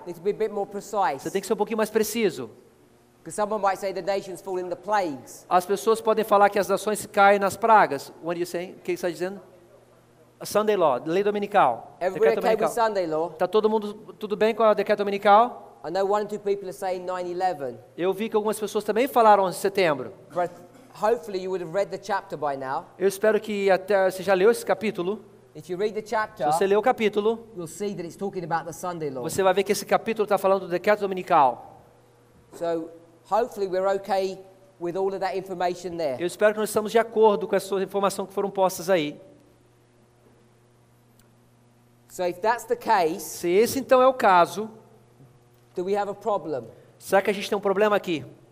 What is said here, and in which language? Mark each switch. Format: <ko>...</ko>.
<en>It's a bit more precise.</en> <pt>Você tem que ser um pouquinho mais preciso.</pt> <en>Because someone might say the nations fall in the plagues.</en> <pt>As pessoas podem falar que as nações caem nas pragas.</pt> <en>What do you say?</en> <pt>O que você está dizendo? A Sunday law, lei dominical.</pt> <en>Everybody okay with Sunday law?</en> <pt>Está todo mundo tudo bem com a decreto dominical?</pt> <en>I know one or two people are saying 9/11.</en> <pt>Eu vi que algumas pessoas também falaram 11 de setembro.</pt> <en>Hopefully you would have read the chapter by now.</en> <pt>Eu espero que até você já leu esse capítulo.</pt> <en>If you read the chapter,</en> <pt>se você ler o capítulo,</pt> <en>you'll see that it's talking about the Sunday law.</en> <pt>Você vai ver que esse capítulo está falando do decreto dominical.</pt> <en>So, hopefully we're okay with all of that information there.</en> <pt>Eu espero que nós estamos de acordo com essas informações que foram postas aí.</pt> <en>So, if that's the case,</en> <pt>se esse então é o caso,</pt> <en>do we have a problem?</en> <pt>Será que a gente tem um problema aqui?</pt>